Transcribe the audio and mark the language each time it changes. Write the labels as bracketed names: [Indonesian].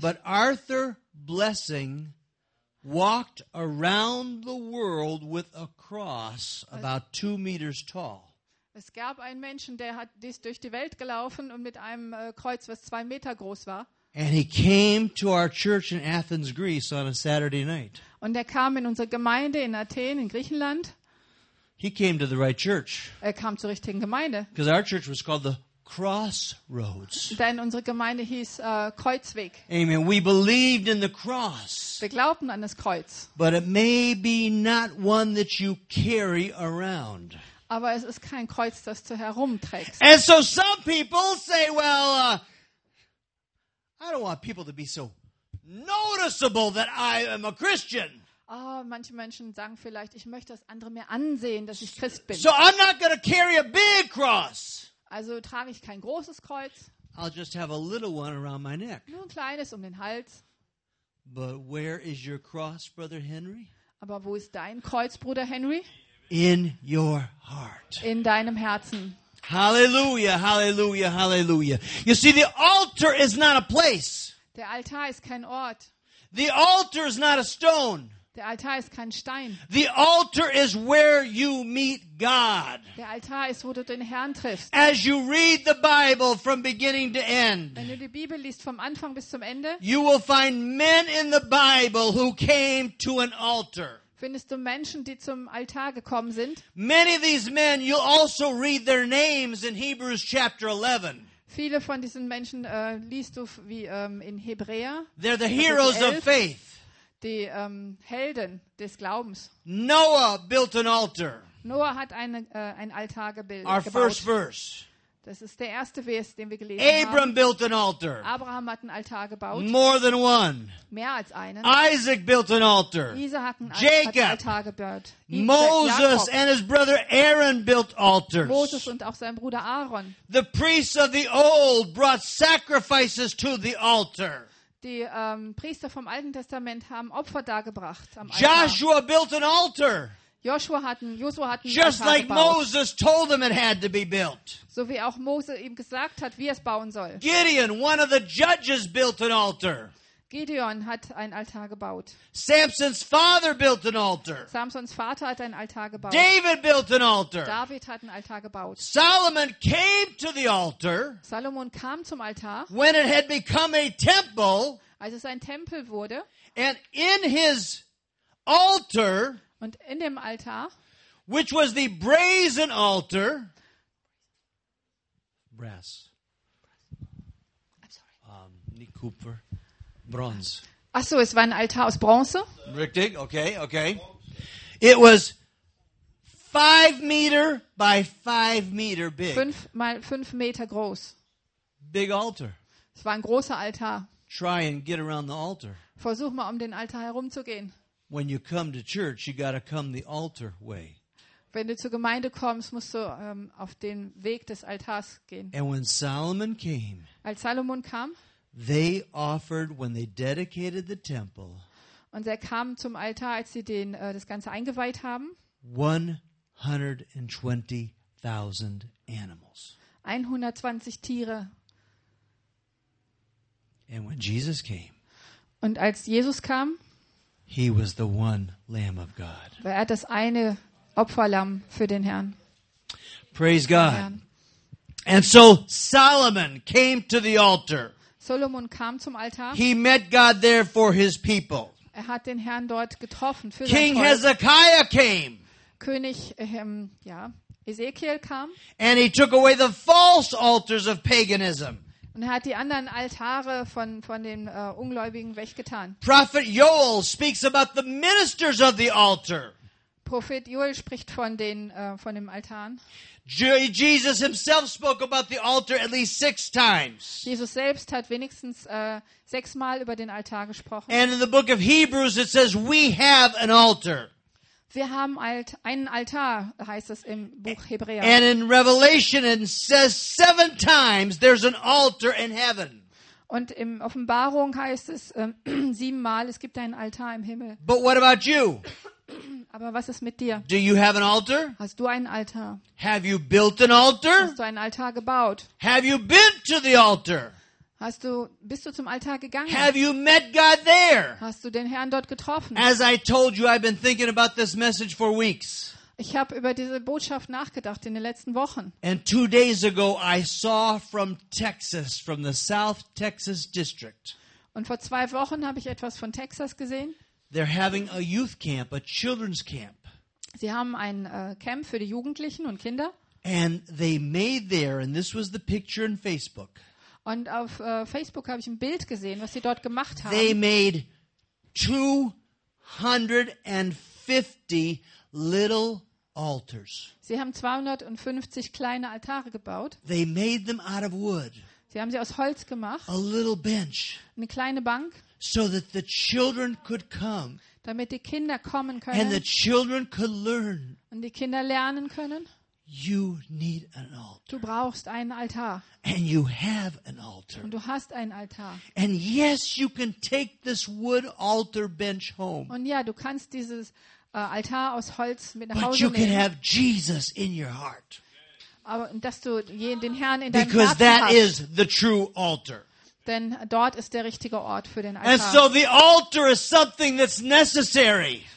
[English] But Arthur Blessing walked around the world with a cross about 2 meters tall. [German] Es gab einen Menschen, der hat dies durch die Welt gelaufen und mit einem Kreuz, was 2 Meter groß war. [English] And he came to our church in Athens, Greece on a Saturday night. [German] Und er kam in unsere Gemeinde in Athen in Griechenland. [English] He came to the right church. [German] Er kam zur richtigen Gemeinde. [English] Because our church was called the Crossroads. [German] Denn unsere Gemeinde hieß Kreuzweg. [English] Amen. We believed in the cross. [German] Wir glaubten an das Kreuz. [English] But it may be not one that you carry around. [German] Aber es ist kein Kreuz, das du herumträgst. [English] And so some people say, well, I don't want people to be so noticeable that I am a Christian. [German] Oh, manche Menschen sagen vielleicht, ich möchte, dass andere mir ansehen, dass ich Christ bin. [English] So I'm not going to carry a big cross. [German] Also trage ich kein großes Kreuz. [English] I'll just have a little one around my neck. [German] Nur ein kleines um den Hals. [English] But where is your cross, Brother Henry? [German] Aber wo ist dein Kreuz, Bruder Henry? [English] In your heart. [German] In deinem Herzen. [English] Hallelujah, hallelujah, hallelujah. You see, the altar is not a place. [German] Der Altar ist kein Ort. [English] The altar is not a stone. [German] Der Altar ist kein Stein. [English] The altar is where you meet God. [German] Der Altar ist, wo du den Herrn triffst. [English] As you read the Bible from beginning to end, [German] wenn du die Bibel liest vom Anfang bis zum Ende, [English] you will find men in the Bible who came to an altar. [German] Findest du Menschen, die zum Altar gekommen sind? [English] Many of these men, you'll also read their names in Hebrews chapter 11. [German] Viele von diesen Menschen liest du wie in Hebräer. [English] They're the heroes of faith. [German] Die Helden des Glaubens. [English] Noah built an altar. [German] Noah hat ein Altar gebildet. [English] Our first verse. [German] Das ist der erste Vers, den wir gelesen [English] Abraham Abraham built an altar. [German] Abraham hat ein Altar gebaut. [English] More than one. [German] Mehr als einen. [English] Isaac built an altar. [German] Isaac [English] Jacob. [German] Hat ein Altar gebaut. [English] Moses Jacob. And his brother Aaron built altars. [German] Moses und auch sein Bruder Aaron. [English] The priests of the old brought sacrifices to the altar. [German] Die Priester vom Alten Testament haben Opfer dargebracht am Altar. [English] Joshua built an altar. [German] Joshua hat ein Altar gebaut. [English] Just like [German] gebaut. [English] Moses told them it had to be built. [German] So wie auch Mose ihm gesagt hat, wie es bauen soll. [English] Gideon, one of the judges, built an altar. [German] Gideon hat ein Altar gebaut. [English] Samson's father built an altar. [German] Samsons Vater hat ein Altar gebaut. [English] David built an altar. [German] David hat ein Altar gebaut. [English] Solomon came to the altar. [German] Salomon kam zum Altar. [English] When it had become a temple. [German] Als es ein Tempel wurde. [English] And in his altar. [German] Und in dem Altar. [English] Which was the brazen altar. Brass. I'm sorry. Nick Cooper. Bronze. [German] Ach so, es war ein Altar aus Bronze. Richtig, okay, okay. [English] It was 5 meter by 5 meter big. [German] 5 mal 5 Meter groß. [English] Big altar. [German] Es war ein großer Altar. [English] Try and get around the altar. [German] Versuch mal, um den Altar herumzugehen. [English] When you come to church, you gotta come the altar way. [German] Wenn du zur Gemeinde kommst, musst du auf den Weg des Altars gehen. [English] And when Solomon came, [German] als Salomon kam, [English] they offered when they dedicated the temple. [German] Und er kam zum Altar, als sie den das Ganze eingeweiht haben. [English] 120,000 animals. [German] 120 Tiere. [English] And when Jesus came, [German] und als Jesus kam, [English] he was the one Lamb of God. [German] War er das eine Opferlamm für den Herrn. [English] Praise God. And so Solomon came to the altar. [German] Solomon kam zum Altar. [English] He met God there for his people. [German] Er hat den Herrn dort getroffen für [English] King [German] sein Volk. [English] Hezekiah came. [German] König Ezekiel kam. [English] And he took away the false altars of paganism. [German] Und er hat die anderen Altare von den Ungläubigen weggetan. [English] Prophet Joel speaks about the ministers of the altar. [German] Prophet Joel spricht von den von dem Altar. [English] Jesus himself spoke about the altar at least 6 times. [German] Jesus selbst hat wenigstens 6-mal über den Altar gesprochen. [English] And in the book of Hebrews it says we have an altar. [German] Wir haben einen Altar, heißt es im Buch Hebräer. [English] And in Revelation it says 7 times there's an altar in heaven. [German] Und im Offenbarung heißt es 7-mal, es gibt einen Altar im Himmel. [English] But what about you? [German] Aber was ist mit dir? [English] Do you have an altar? [German] Hast du einen Altar? [English] Have you built an altar? [German] Hast du einen Altar gebaut? [English] Have you been to the altar? [German] Bist du zum Altar gegangen? [English] Have you met God there? [German] Hast du den Herrn dort getroffen? [English] As I told you, I've been thinking about this message for weeks. [German] Ich habe über diese Botschaft nachgedacht in den letzten Wochen. [English] And 2 days ago I saw from Texas, from the South Texas district. [German] Und vor 2 Wochen habe ich etwas von Texas gesehen. [English] They're having a youth camp, a children's camp. [German] Sie haben ein Camp für die Jugendlichen und Kinder. [English] And they made there, and this was the picture in Facebook. [German] Und auf Facebook habe ich ein Bild gesehen, was sie dort gemacht haben. [English] They made 250 little altars. [German] Sie haben 250 kleine Altare gebaut. [English] They made them out of wood. [German] Sie haben sie aus Holz gemacht. [English] A little bench. [German] Eine kleine Bank. [English] So that the children could come, [German] damit die Kinder kommen können, [English] and the children could learn, [German] und die Kinder lernen können. [English] You need an altar. [German] Du brauchst einen Altar. [English] And you have an altar. [German] Und du hast einen Altar. [English] And yes, you can take this wood altar bench home. [German] Und ja, du kannst dieses Altar aus Holz mit nach [English] But you can have Jesus in your heart. [German] Aber dass du den Herrn in deinem Herzen hast. [English] Because that is the true altar. [German] Denn dort ist der richtige Ort für den Altar. [English] And so the altar is something that's necessary.